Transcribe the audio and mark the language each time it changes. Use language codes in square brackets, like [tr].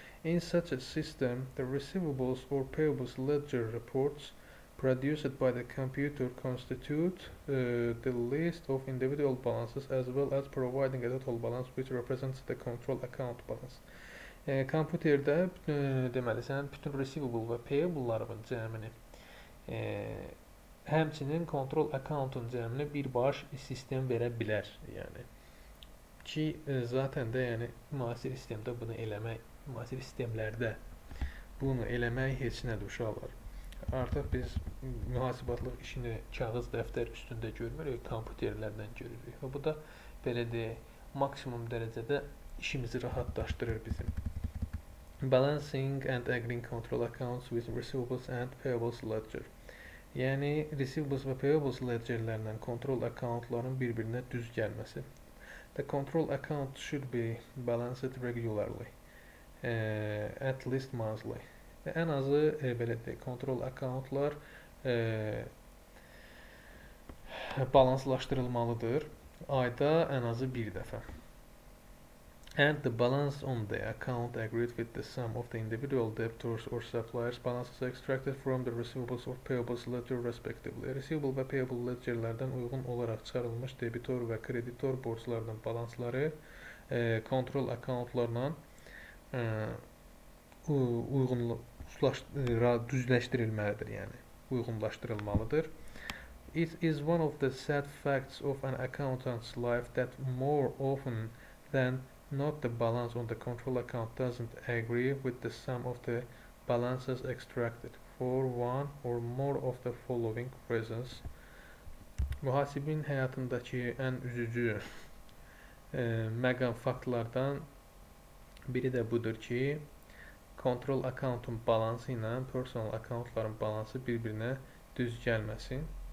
[en] In such a system, the receivables or payables ledger reports produced by the computer constitute the list of individual balances as well as providing a total balance which represents the control account balance. [az] Computerdə deməli sənin bütün receivable və payable-ların cəmini, həmçinin control account-un cəmini birbaş sistem verə bilər, yəni. Ki zaten de yəni müasir sistemdə bunu eləmək, müasir sistemlərdə bunu eləmək heç nə düşər. Artıq biz mühasibatlıq işini kağız dəftər üstündə görmürük, kompüterlərdən görürük. Bu da belə deyək, maksimum dərəcədə işimizi rahatlaşdırır bizim. [en] Balancing and agreeing control accounts with receivables and payables ledger. [az] Yəni, receivables və payables ledgerlərlə control accountların bir-birinə düz gəlməsi. [en] The control account should be balanced regularly, at least monthly. [az] Ən azı belə deyək, kontrol accountlar balanslaşdırılmalıdır ayda ən azı bir dəfə. [en] And the balance on the account agreed with the sum of the individual debtors or suppliers balances extracted from the receivables or payables ledger respectively. [az] Receivable və payable ledgerlərdən uyğun olaraq çıxarılmış debitor və kreditor borclarının balansları kontrol accountlarla uyğunluq düzləşdirilməlidir, yəni uyğunlaşdırılmalıdır. [en] It is one of the sad facts of an accountant's life that more often than not the balance on the control account doesn't agree with the sum of the balances extracted for one or more of the following reasons. [az] Mühasibin həyatındakı ən üzücü məqam faktlardan biri də budur ki, control accountun balansı ilə personal accountların balansı bir-birinə düz gəlməsin.